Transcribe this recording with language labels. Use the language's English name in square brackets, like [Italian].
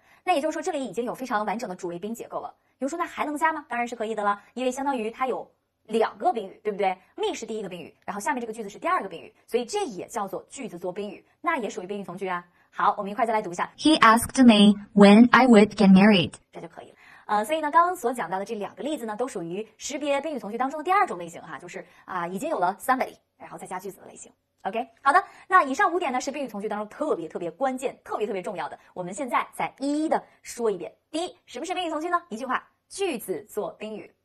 [Chinese] 那也就是说这里已经有非常完整的主谓宾结构了。比如说那还能加吗？当然是可以的了，因为相当于它有两个宾语，对不对？ me 是第一个宾语，然后下面这个句子是第二个宾语，所以这也叫做句子做宾语，那也属于宾语从句啊。好，我们一块再来读一下。 [English] He asked me when I would get married。 [Chinese] 这就可以了。所以呢，刚刚所讲到的这两个例子呢，都属于识别宾语从句当中的第二种类型就是已经有了 somebody 然后再加句子的类型。 OK， 好的，那以上五点呢是宾语从句当中特别特别关键、特别特别重要的，我们现在再一一的说一遍。第一，什么是宾语从句呢？一句话，句子做宾语。